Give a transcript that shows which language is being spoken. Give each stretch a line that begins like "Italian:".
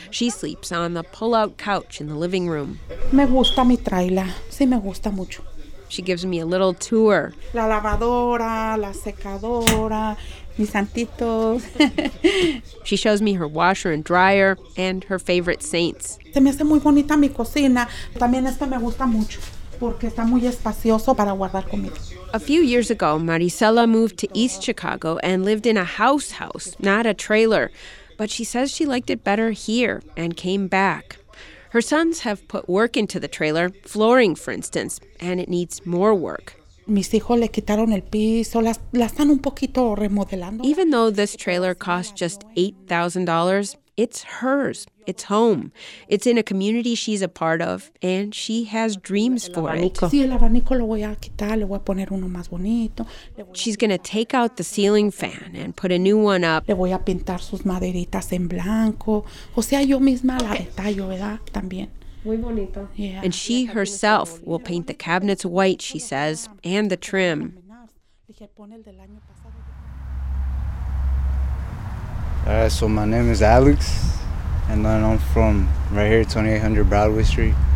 English: She sleeps on the pull-out couch in the living room.
Spanish: Me gusta mi trailer. Sí, me gusta mucho.
English: She gives me a little tour.
Spanish: La lavadora, la secadora, mis santitos.
English: She shows me her washer and dryer and her favorite saints.
Spanish: Se me hace muy bonita mi cocina. También esta me gusta mucho porque está muy espacioso para guardar comida.
English: A few years ago, Marisela moved to East Chicago and lived in a house, not a trailer. But she says she liked it better here and came back. Her sons have put work into the trailer, flooring, for instance, and it needs more work.
Spanish: Mis hijos le quitaron el piso, la están un poquito remodelando.
English: Even though this trailer costs just $8,000, it's hers, it's home. It's in a community she's a part of, and she has dreams for it.
Spanish: Sí, el abanico lo voy a quitar, le voy a poner uno más bonito.
English: She's going to take out the ceiling fan and put a new one up.
Spanish: Le voy a pintar sus maderitas en blanco. O sea, yo misma la detallo, ¿verdad? También. Muy bonito.
English: Yeah. And she herself will paint the cabinets white, she says, and the trim. All right, so my name is Alex, and I'm from right here, 2800 Broadway Street.